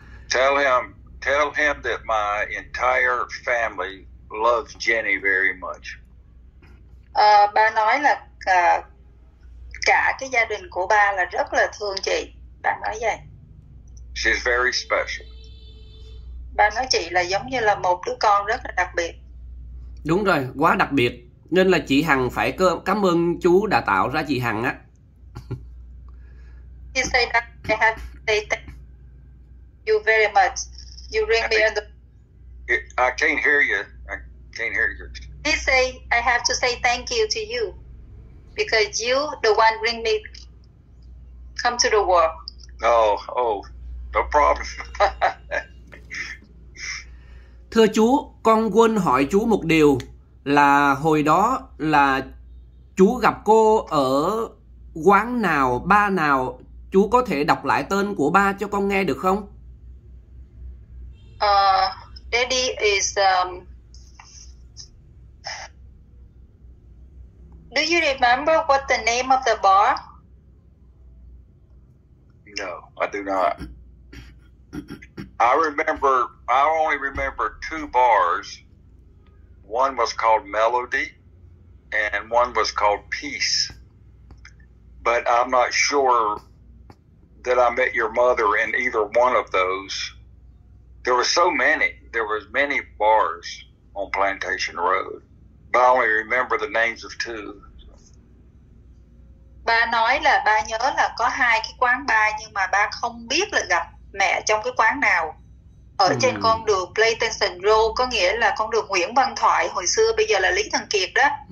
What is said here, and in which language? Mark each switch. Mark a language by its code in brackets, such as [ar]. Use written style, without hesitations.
[en] Tell him that my entire family loves Jenny very much. [vi] Bà nói là cả cái gia đình của ba là rất là thương chị. Bà nói vậy. [en] She's very special. [vi] Ba nói chị là giống như là một đứa con rất là đặc biệt. Đúng rồi, quá đặc biệt. Nên là chị Hằng phải cảm ơn chú đã tạo ra chị Hằng á. [en] He said that I have to say thank you very much. You ring me on the. I can't hear you. I can't hear you. He say I have to say thank you to you because you the one bring me come to the world. Oh, no [vi] Thưa chú, con quên hỏi chú một điều là hồi đó là chú gặp cô ở quán nào, bar nào, chú có thể đọc lại tên của ba cho con nghe được không? [en] Daddy do you remember what the name of the bar? No, I do not. I only remember two bars. One was called Melody and one was called Peace. But I'm not sure that I met your mother in either one of those. There were so many. There was many bars on Plantation Road, but I only remember the names of two. [vi] Ba nói là ba nhớ là có hai cái quán bar nhưng mà ba không biết là gặp mẹ trong cái quán nào. Ở trên con đường Plantation Road có nghĩa là con đường Nguyễn Văn Thoại hồi xưa bây giờ là Lý Thường Kiệt đó.